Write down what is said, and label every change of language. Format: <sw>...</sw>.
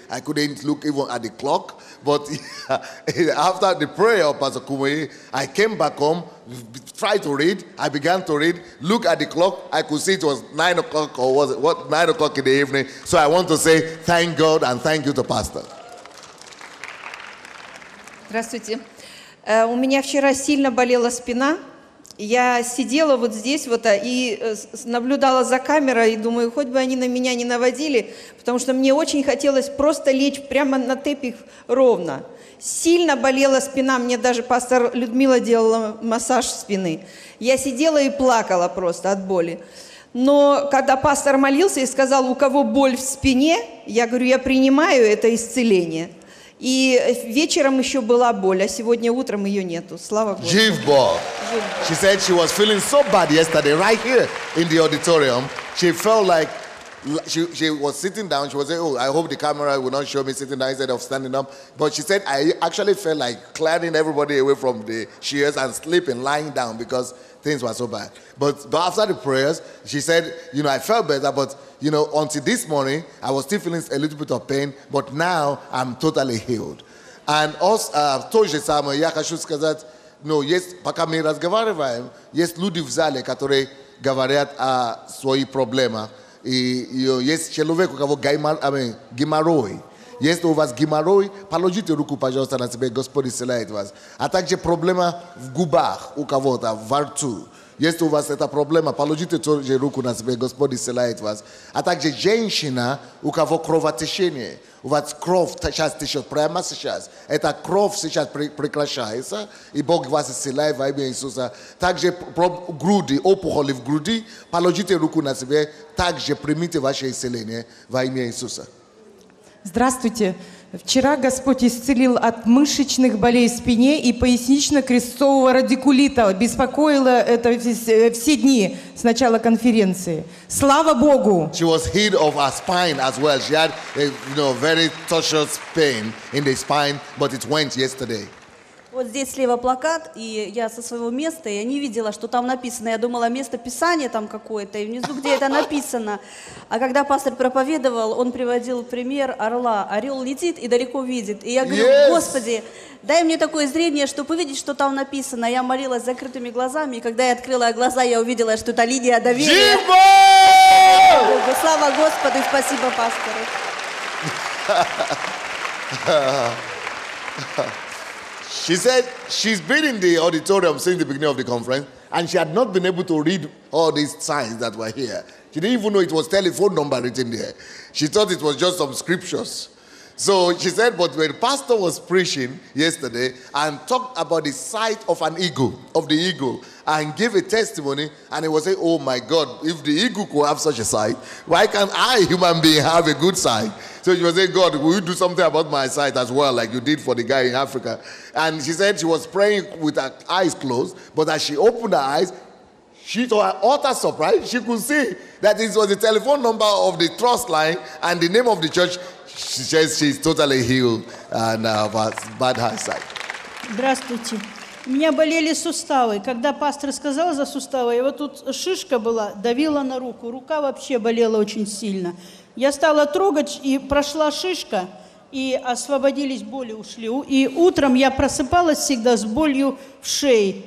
<en>I couldn't look even at the clock. But after the prayer of Pastor Kumuyi, I came back home, tried to read. I began to read. Look at the clock. I could see it was 9 o'clock or was it what 9 o'clock in the evening. So I want to say thank God and thank you to Pastor.</en> <ru>Здравствуйте. У меня вчера сильно болела спина. Я сидела вот здесь вот и наблюдала за камерой, и думаю, хоть бы они на меня не наводили, потому что мне очень хотелось просто лечь прямо на тепих ровно. Сильно болела спина, мне даже пастор Людмила делала массаж спины. Я сидела и плакала просто от боли. Но когда пастор молился и сказал, у кого боль в спине, я говорю, я принимаю это исцеление. И вечером еще была боль, а сегодня утром ее нету. Слава Богу. Жив Бог.</ru> <en>She said she was feeling so bad yesterday, right here in the auditorium. She felt like she was sitting down. She was saying, "Oh, I hope the camera will not show me sitting down instead of standing up." But she said, "I actually felt like clearing everybody away from the chairs and sleeping, lying down because things were so bad." But after the prayers, she said, "You know, I felt better, but." You know, until this morning, I was still feeling a little bit of pain, but now I'm totally healed. And also,</en> <ru>тоже самое, я хочу сказать, ну, есть, пока мы разговариваем, есть люди в зале, которые говорят о своей проблеме. И есть человек, у кого геморрой. Если у вас геморрой, положите руку, пожалуйста, на себя, Господь исцеляет вас. А также проблема в губах у кого-то, во рту. Если у вас эта проблема, положите тоже руку на себя, Господь исцеляет вас. А также женщина, у кого кровотечение, у вас кровь сейчас течет прямо сейчас. Эта кровь сейчас прекращается, и Бог вас исцеляет во имя Иисуса. Также груди, опухоли в груди, положите руку на себя, также примите ваше исцеление во имя Иисуса. Здравствуйте. Вчера Господь исцелил от мышечных болей в спине и пояснично-крестцового радикулита. Беспокоило это все дни с начала конференции. Слава Богу!</ru> <en>She was healed of her spine as well. She had a, you know, very tortuous pain in the spine, but it went yesterday.</en> <ru>Вот здесь слева плакат, и я со своего места, я не видела, что там написано. Я думала, место писания там какое-то, и внизу, где это написано. А когда пастор проповедовал, он приводил пример орла. Орел летит и далеко видит. И я говорю,</ru> <en>yes.</en> <ru>Господи, дай мне такое зрение, чтобы увидеть, что там написано. Я молилась с закрытыми глазами, и когда я открыла глаза, я увидела, что это линия доверия. Жива! Слава Господу и спасибо пастору.</ru> <en>She said she's been in the auditorium since the beginning of the conference, and she had not been able to read all these signs that were here. She didn't even know it was telephone number written there. She thought it was just some scriptures. So she said, but when pastor was preaching yesterday and talked about the sight of an eagle, of the eagle, and gave a testimony, and he was saying, oh my God, if the eagle could have such a sight, why can't I, human being, have a good sight? So she was saying, God, will you do something about my sight as well, like you did for the guy in Africa? And she said she was praying with her eyes closed, but as she opened her eyes, she, to her utter surprise, she could see that it was the telephone number of the trust line and the name of the church. She says she's totally healed and has bad eyesight.</en> <ru>Здравствуйте. У меня болели суставы. Когда пастор сказал за суставы, и вот тут шишка была, давила на руку. Рука вообще болела очень сильно. Я стала трогать, и прошла шишка, и освободились боли, ушли. И утром я просыпалась всегда с болью в шее.</ru>